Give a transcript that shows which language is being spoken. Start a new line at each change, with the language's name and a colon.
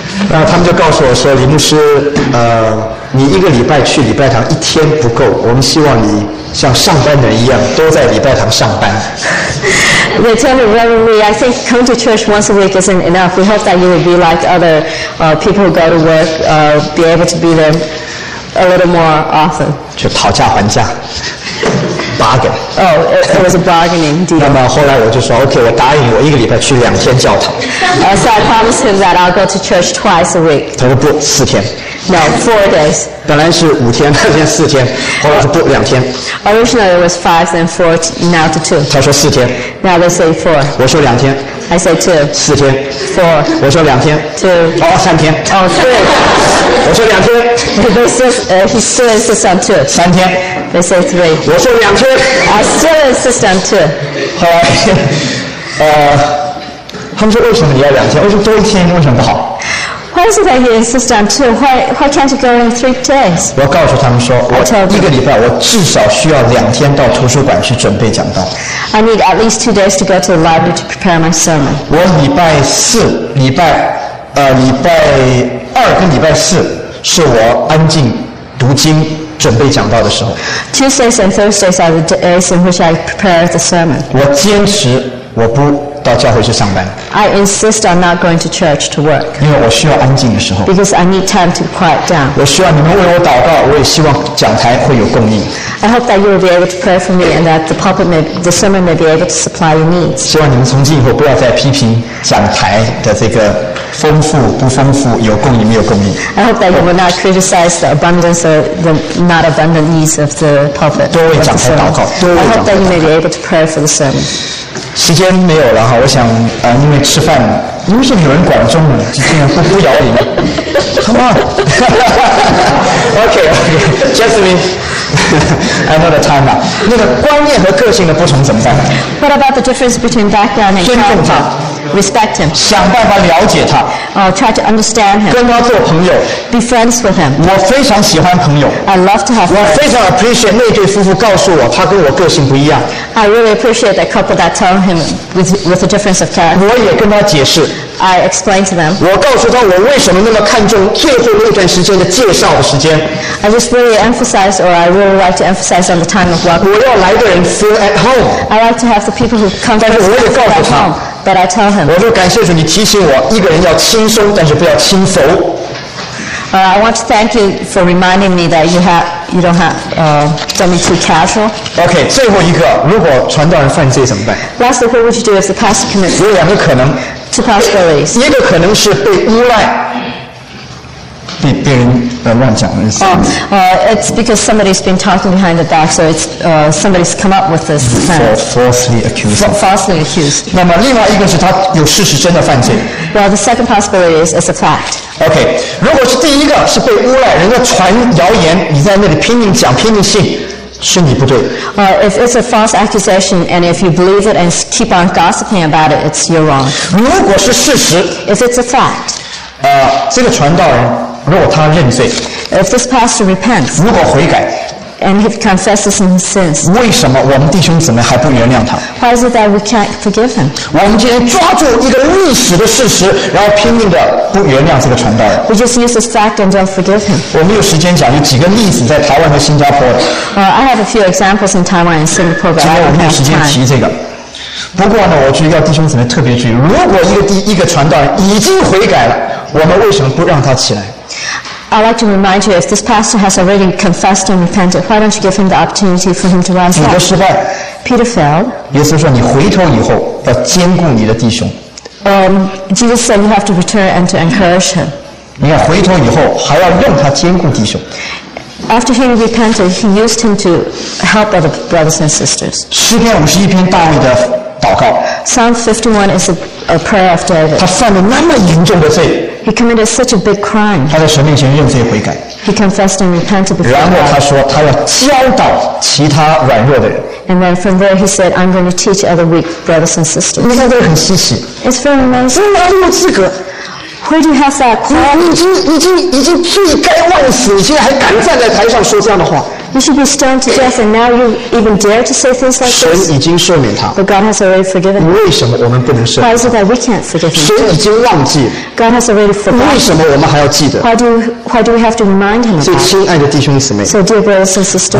Chinese: 然后他们就告诉我说，李牧师，你一个礼拜去礼拜堂一天不够，我们希望你像上班人一样都在礼拜堂上班。
English: They tell me, Reverend, I think come to church once a week isn't enough. We hope that you will be like other people who go to work, be able to be there a little more often.
Chinese: 就讨价还价。
English: Bargain. Oh, it was a bargaining deal.
Chinese: 那么后来我就说 ，OK， 我答应我一个礼拜去两天教堂。
English: So I promised him that I'll go to church twice a week.
Chinese: 他说不，四天。
English: No, 4 days.
Chinese: 本来是五天，他说四天，后来说不，两天。
English: Originally it was 5, then 4, now to 2.
Chinese: 他说四天。
English: Now they say 4.
Chinese: 我说两天。
English: I say 2.
Chinese: 四天。
English: 4.
Chinese: 我说两天。
English: 2.
Chinese: 哦，三天。
English: Oh, 3.
Chinese: 我说两天。
English: He still insists on 2.
Chinese: 三天。
English: They say 3.
Chinese: 我说两天。
English: I still insist on 2.
Chinese: 后来，他们说为什么你要两天？为什么多一天为什么不好？
English: Why is it that you insist on 2? Why can't you go in 3 days?
Chinese: 我告诉他们说，我一个礼拜我至少需要两天到图书馆去准备讲道。
English: I need at least 2 days to go to the library to prepare my sermon.
Chinese: 我礼拜四、礼拜二跟礼拜四是我安静读经准备讲道的时候。
English: Tuesdays and Thursdays are the days in which I prepare the sermon.
Chinese: 我坚持我不。到教会去上班。
English: I insist on not going to church to work.
Chinese: 因为我需要安静的时候。
English: Because I need time to quiet down.
Chinese: 我需要你们为我祷告，我也希望讲台会有供应。
English: I hope that you will be able to pray for me and that the pulpit may, the sermon may be able to supply your needs.
Chinese: 希望你们从今以后不要再批评讲台的这个丰富不丰富，有供应没有供应。
English: I hope that you will not criticize the abundance or the not abundant needs of the pulpit.
Chinese: 多为讲台祷告。
English: I hope that you may be able to pray for the sermon.
Chinese: 时间没有了哈，我想因为吃饭，因为是有人管中文，就这样不咬你们。
English: Come on. Okay, Jasmine. I know the time now.
Chinese: 那个观念和个性的不同怎么办
English: ？What about the difference between background and character?
Chinese: 尊重他。
English: Respect him.
Chinese: 想办法了解他。
English: Try to understand him.
Chinese: 跟他做朋友。
English: Be friends with him.
Chinese: 我非常喜欢朋友。
English: I love to have.
Chinese: 我非常
English: appreciate
Chinese: 那对夫妇告诉我他跟我个性不一样。
English: I really appreciate that couple that told him with a difference of character.
Chinese: 我也跟他解释。
English: I explain to them.
Chinese: 我告诉他我为什么那么看重最后那段时间的介绍的时间。
English: I just really emphasize, or I really like to emphasize on the time of work.
Chinese: 我要来的人
English: feel at home. I like to have the people who come.
Chinese: 但是我也告诉他。
English: But I tell him.
Chinese: 我就感谢主，你提醒我，一个人要轻松，但是不要轻浮。
English: I want to thank you for reminding me that you don't have don't be too casual.
Chinese: Okay, 最后一个，如果传道人犯罪怎么办
English: ？Lastly, what would you do if the pastor commits?
Chinese: 有两个可能。
English: Two possibilities.
Chinese: 一个可能是被诬赖。
English: It's because somebody's been talking behind the back, so it's somebody's come up with this offense. Falsely accused.
Chinese: 那么另外一个是他有事实真的犯罪。
English: Well, the second possibility is it's a fact.
Chinese: Okay, 如果是第一个是被诬赖，人家传谣言，你在那里拼命讲拼命信。是你不对。
English: If it's a false accusation and if you believe it and keep on gossiping about it, it's you're wrong.
Chinese: 如果是事实。
English: If it's a fact.
Chinese: 这个传道人如果他认罪。
English: If this pastor repents.
Chinese: 如果悔改。
English: And he confesses his sins.
Chinese: 为什么我们弟兄姊妹还不原谅他？
English: Why is it that we can't forgive him?
Chinese: 我们今天抓住一个历史的事实，然后拼命的不原谅这个传道人。
English: We just use this fact and don't forgive him.
Chinese: 我们有时间讲有几个例子在台湾和新加坡。
English: I have a few examples in Taiwan and Singapore, but I don't have time.
Chinese: 今天我们有时间提这个。不过呢，我就要弟兄姊妹特别注意，如果一个传道人已经悔改了，我们为什么不让他起来？
English: I'd like to remind you, if this pastor has already confessed and repented, why don't you give him the opportunity for him to rise up?
Chinese: 你的失败。
English: Peter failed.
Chinese: 耶稣说你回头以后要兼顾你的弟兄。
English: Jesus said you have to return and to encourage him.
Chinese: 你要回头以后还要用他兼顾弟兄。
English: After he repented, he used him to help other brothers and sisters.
Chinese: 诗篇五十一篇大卫的祷告。
English: Psalm 51 is a prayer of David.
Chinese: 他犯了那么严重的罪。
English: He committed such a big crime.
Chinese: 他在神面前认罪悔改。
English: He confessed and repented before God.
Chinese: 然后他说他要教导其他软弱的人。
English: And then from there he said, I'm going to teach other weak brothers and sisters.
Chinese: 你看这个很稀奇。
English: It's very amazing.
Chinese: 哪里有资格？
English: Where do you have that crime?
Chinese: 你已经罪该万死，你现在还敢站在台上说这样的话？
English: You should be stoned to death, and now you even dare to say things like this.
Chinese: 神已经赦免他。
English: But God has already forgiven him.
Chinese: 为什么我们不能赦免？
English: Why is it that we can't forgive him?
Chinese: 神已经忘记。
English: God has already forgotten.
Chinese: 为什么我们还要记得？
English: Why do we have to remind him?
Chinese: 所以，亲爱的弟兄姊妹。
English: So dear brothers and sisters.